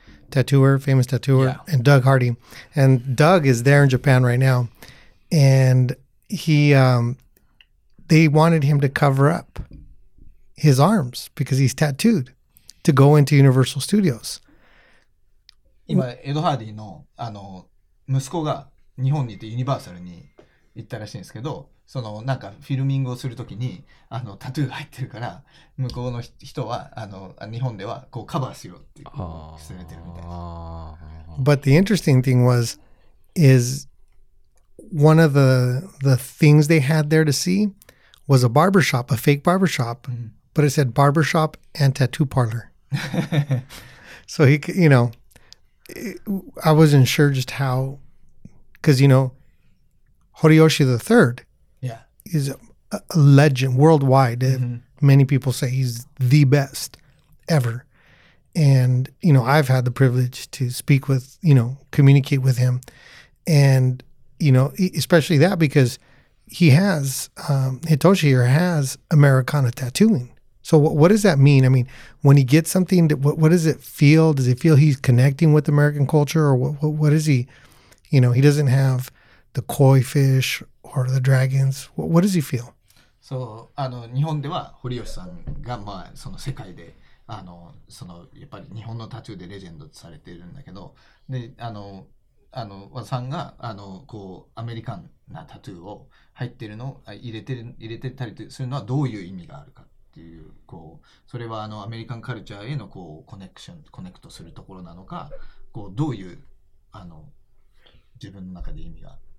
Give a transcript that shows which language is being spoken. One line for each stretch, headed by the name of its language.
English: Tattooer, famous tattooer, yeah. And Doug Hardy. And Doug is there in Japan right now. And he, they wanted him to cover up his arms because he's tattooed to go into Universal Studios.
Japanese: 今、Ed Hardy の、あの、息子が日本に行ってユニバーサルに行ったらしいんですけど、そのなんかフィルミングをするときにあのタトゥーが入ってるから向こうの人はあの日本ではこうカバーしようって勧めてるみたいです。
English: But the interesting thing was, is one of the things they had there to see was a barbershop, a fake barbershop, but it said barbershop and tattoo parlor. So he, you know, I wasn't sure just how, because, you know, Horiyoshi the Third, is a legend worldwide. Many people say he's the best ever. And, you know, I've had the privilege to speak with, you know, communicate with him. And, you know, especially that because he has, Hitoshi here has Americana tattooing. So what does that mean? I mean, when he gets something, what does it feel? Does he feel he's connecting with American culture? Or what is he, you know, he doesn't have the koi fish or the dragons, what does he feel?
Japanese: So, あの、日本では堀吉さんが、まあ、その世界で、あの、その、やっぱり日本のタトゥーでレジェンドとされているんだけど、で、あの、あの、和さんが、あの、こう、アメリカンなタトゥーを入ってるの、入れてたりするのはどういう意味があるかっていう、こう、それはあの、アメリカンカルチャーへのこう、コネクション、コネクトするところなのか、こう、どういう、あの、自分の中で意味が。